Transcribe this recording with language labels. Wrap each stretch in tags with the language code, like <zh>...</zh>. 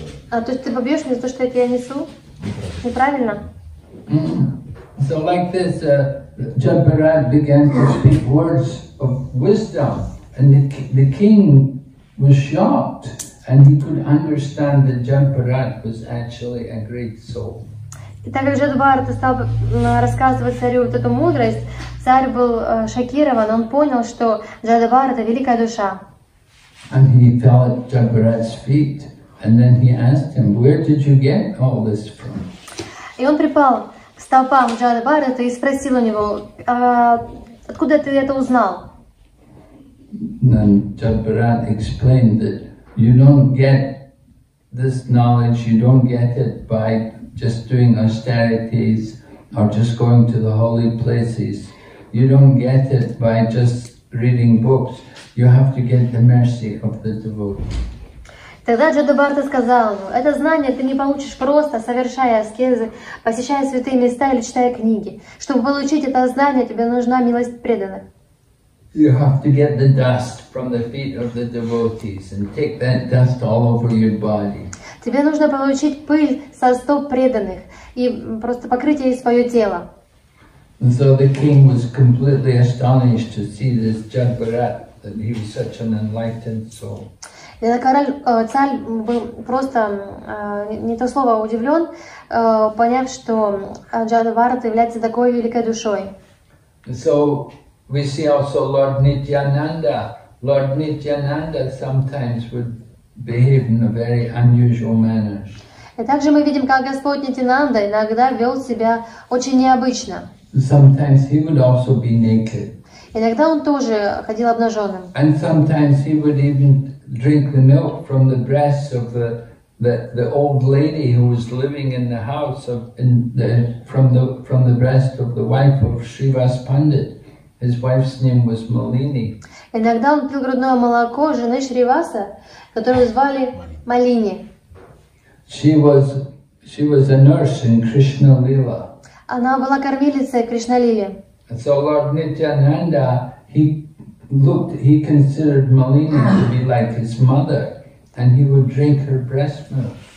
<ru>То есть ты побьешь меня за то, что я тебя несу? Неправильно.</ru> <en>So like this, Jagbharat began to speak words of wisdom. And the king was shocked, and he could understand that Jagbharat was actually a great soul.</en> <ru>И так как Джадабарат стал рассказывать царю вот эту мудрость, царь был шокирован, он понял, что Джадабарат — это великая душа.</ru> <en>And he fell at Jagbharat's feet, and then he asked him, "Where did you get all this from?"</en> <ru>И он припал к стопам Джада Бхарата и спросил у него, а откуда ты это узнал?</ru> <en>And Jada Bharat explained that you don't get this knowledge, you don't get it by just doing austerities or just going to the holy places. You don't get it by just reading books. You have to get the mercy of the devotee.</en> <ru>Тогда Джада Бхарата сказал ему, это знание ты не получишь просто, совершая аскезы, посещая святые места или читая книги. Чтобы получить это знание, тебе нужна милость преданных.</ru> <en>You have to get the dust from the feet of the devotees and take that dust all over your body.</en> <ru>Тебе нужно получить пыль со стоп преданных и просто покрыть ей свое тело.</ru> <en>And so the king was completely astonished to see this Jada Bharat, that he was such an enlightened soul.</en> <ru>И король, царь был просто, не то слово, удивлен, поняв, что Джада Бхарата является такой великой душой.</ru> <en>So we see also Lord Nityananda. Lord Nityananda sometimes would behave in a very unusual manner.</en> <ru>И также мы видим, как Господь Нитьянанда иногда вел себя очень необычно.</ru> <en>Sometimes he would also be naked.</en> <ru>Иногда он тоже ходил обнаженным.</ru> <en>And sometimes he would even drink the milk from the breasts of the old lady who was living in the house of in the from the breast of the wife of Shrivas Pandit. His wife's name was Malini.</en> <ru>Иногда он пил грудное молоко жены Шриваса, которую звали Малини.</ru> <en>She was a nurse in Krishna Lila.</en> <ru>Она была кормилицей Кришна Лили.</ru> <en>So Lord Nityananda, he considered Malini to be like his mother, and he would drink her breast milk.</en>